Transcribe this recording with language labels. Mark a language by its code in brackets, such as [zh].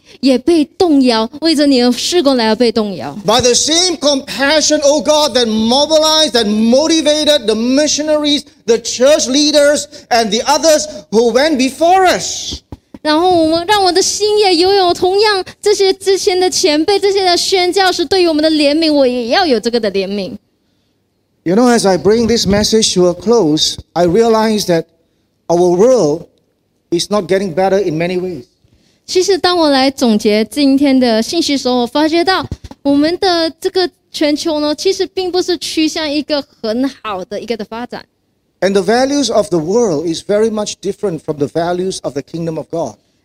[zh] 所以今天来到神的面前来要更新我们的委身的时候，让我们也对神说：主啊，让我的心也被动摇，为着你的事工来要被动摇。 [en] By the same compassion, O God, that mobilized and motivated the missionaries, the church leaders, and the others who went before us. [zh] 然后我们让我的心也拥有同样这些之前的前辈，这些的宣教士对于我们的怜悯，我也要有这个的怜悯。 [en] You know, as I bring this message to a close, I realize that our world is not getting better in many ways. [zh] 其实当我来总结今天的信息时候，我发觉到我们的这个全球呢，其实并不是趋向一个很好的一个的发展。 [en] And the values of the world is very much different from the values of the kingdom of God.